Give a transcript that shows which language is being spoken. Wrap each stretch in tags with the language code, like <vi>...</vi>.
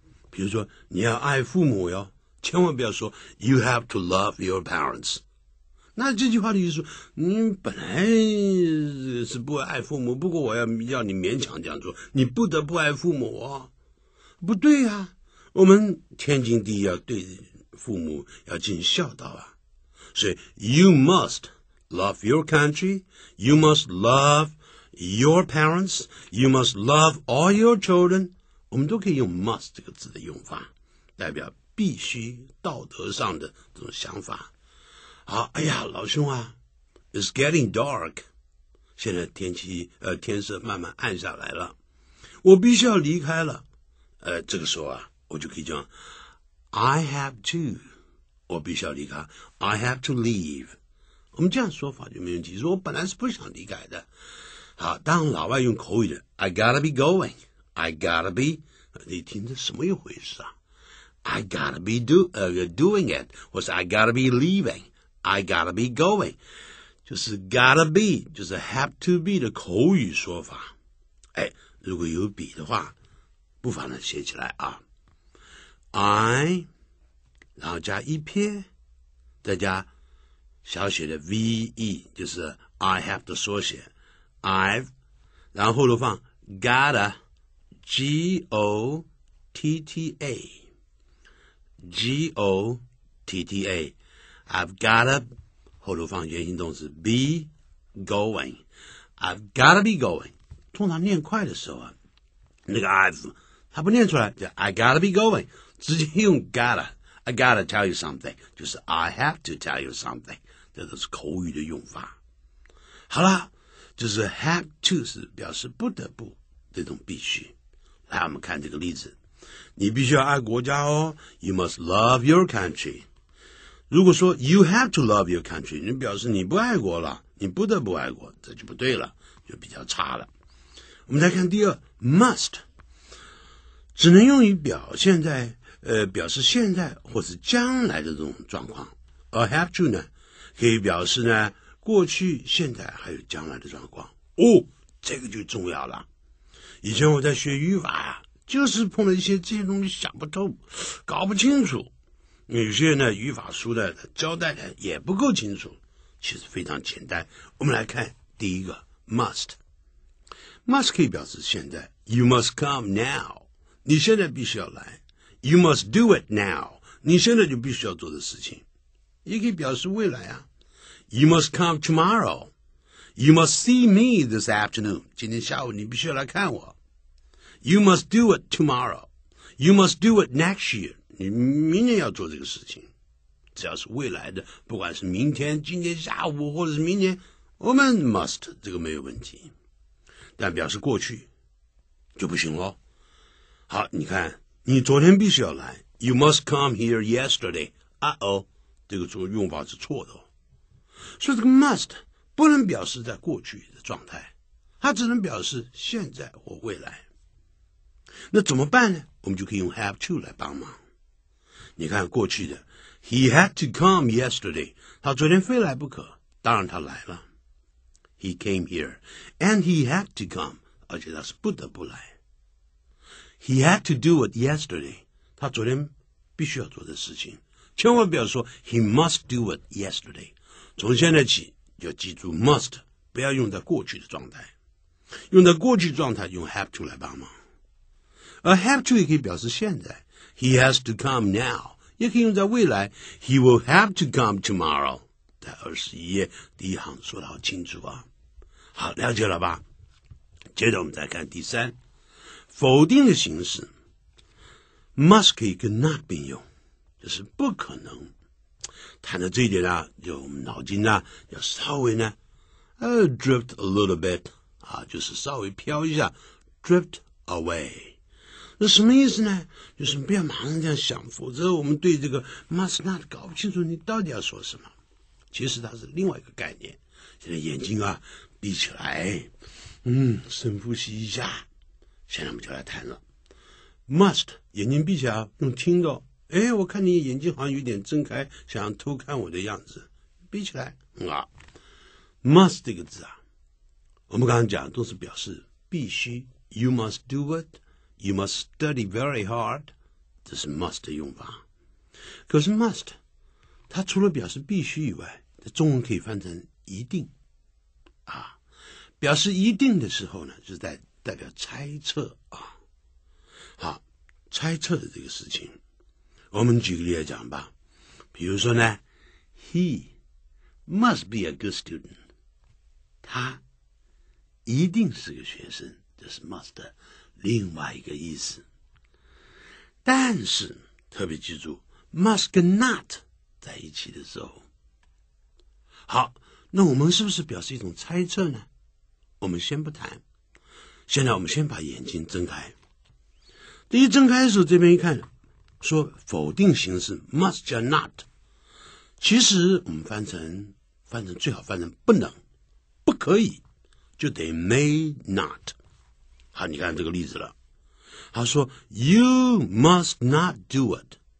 <zh>比如说，你要爱父母哟。千万不要说</zh> <en>you have to love your parents，</en> <zh>那这句话的意思，你本来是不爱父母，不过我要你勉强这样做，你不得不爱父母啊、哦？不对啊，我们天经地义要对父母要尽孝道啊。所以</zh> <en>you must love your country， you must love your parents， you must love all your children，</en> <zh>我们都可以用 must 这个字的用法，代表必须道德上的这种想法。好，哎呀，老兄啊 ，</zh> <en>It's getting dark，</en> <zh>现在天色慢慢暗下来了，我必须要离开了。这个时候啊，我就可以讲 ，</zh> <en>I have to，</en> <zh>我必须要离开 ，</zh> <en>I have to leave。</en> <zh>我们这样说法就没问题。说我本来是不想离开的。好，当老外用口语的 ，</zh> <en>I gotta be going， I gotta be，</en> <zh>你听这什么一回事啊？</zh> <en>I gotta be doing it，</en> <zh>或是</zh> <en>I gotta be leaving， I gotta be going，</en> <zh>就是</zh> <en>gotta be， 就是 have to be</en> <zh>的口语说法。哎，如果有笔的话，不妨呢写起来啊。 I， 然后加一撇，再加小写的 ve， 就是 I have 的缩写。</zh> <en>I've，</en> <zh>然后就放</zh> <en>gotta， G O T T A。 G-O-T-T-A I've gotta</en> <zh>后头放原形动词</zh> <en>Be going I've gotta be going</en> <zh>通常念快的时候啊，</zh> <en>那个 I've</en> <zh>它不念出来叫</zh> <en>I gotta be going</en> <zh>直接用</zh> <en>gotta I gotta tell you something 就是 I have to tell you something</en> <zh>这都是口语的用法。好啦，就是 have to 是表示不得不这种必须。来，我们看这个例子，你必须要爱国家哦。</zh> <en>You must love your country。</en> <zh>如果说</zh> <en>you have to love your country，</en> <zh>你表示你不爱国了，你不得不爱国，这就不对了，就比较差了。我们再看第二 ，must 只能用于表现在表示现在或是将来的这种状况，而 have to 呢，可以表示呢过去、现在还有将来的状况。哦，这个就重要了。以前我在学语法呀。就是碰了一些这些东西想不透，搞不清楚。有些呢语法书的交代的也不够清楚，其实非常简单。我们来看第一个 must， must 可以表示现在，</zh> <en>you must come now，</en> <zh>你现在必须要来，</zh> <en>you must do it now，</en> <zh>你现在就必须要做的事情，也可以表示未来啊。</zh> <en>you must come tomorrow， you must see me this afternoon，</en> <zh>今天下午你必须要来看我。</zh> <en>You must do it tomorrow. You must do it next year.</en> <zh>你明年要做这个事情。只要是未来的，不管是明天、今天下午或者是明年，我们 must 这个没有问题。但表示过去就不行咯。好，你看，你昨天必须要来。</zh> <en>You must come here yesterday.</en> <zh>uh-oh， 这个用法是错的。所以这个 must 不能表示在过去的状态，它只能表示现在或未来。那怎么办呢？我们就可以用 have to 来帮忙。你看过去的</zh> <en>he had to come yesterday，</en> <zh>他昨天非来不可，当然他来了。</zh> <en>he came here and he had to come，</en> <zh>而且他是不得不来。</zh> <en>he had to do it yesterday，</en> <zh>他昨天必须要做的事情。千万不要说</zh> <en>he must do it yesterday，</en> <zh>从现在起要记住 must 不要用在过去的状态，用在过去状态用 have to 来帮忙。</zh> <en>而 have to</en> <zh>也可以表示现在，</zh> <en>he has to come now，</en> <zh>也可以用在未来，</zh> <en>he will have to come tomorrow。</en> <zh>在21页第一行说得好清楚啊。好，了解了吧？接着我们再看第三，否定的形式 must 可以跟 not 并用，就是不可能。谈到这一点呢，就我们脑筋呢要稍微呢</zh> <en>drift a little bit</en> <zh>啊，就是稍微飘一下，</zh> <en>drift away。</en> <zh>那什么意思呢？就是不要马上这样想，否则我们对这个 must not 搞不清楚你到底要说什么。其实它是另外一个概念。现在眼睛啊闭起来，深呼吸一下。现在我们就来谈了 must， 眼睛闭起来，用听的。哎，我看你眼睛好像有点睁开，想偷看我的样子，闭起来。 must 这个字啊，我们刚刚讲都是表示必须 ，</zh> <en>you must do it。 You must study very hard，</en> <zh>这是 must 的用法。可是 must 它除了表示必须以外，在中文可以翻成一定啊。表示一定的时候呢，就在代表猜测啊。好，猜测的这个事情，我们举个例来讲吧。比如说呢，</zh> <en>he must be a good student，</en> <zh>他一定是个学生，这是 must 的另外一个意思。但是特别记住 must 跟 not 在一起的时候，好，那我们是不是表示一种猜测呢？我们先不谈，现在我们先把眼睛睁开。第一睁开的时候，这边一看说否定形式 must 加 not， 其实我们翻成最好翻成不能不可以，就得 may not。好，你看这个例子了。他说</zh> <en>,you must not do it.</en>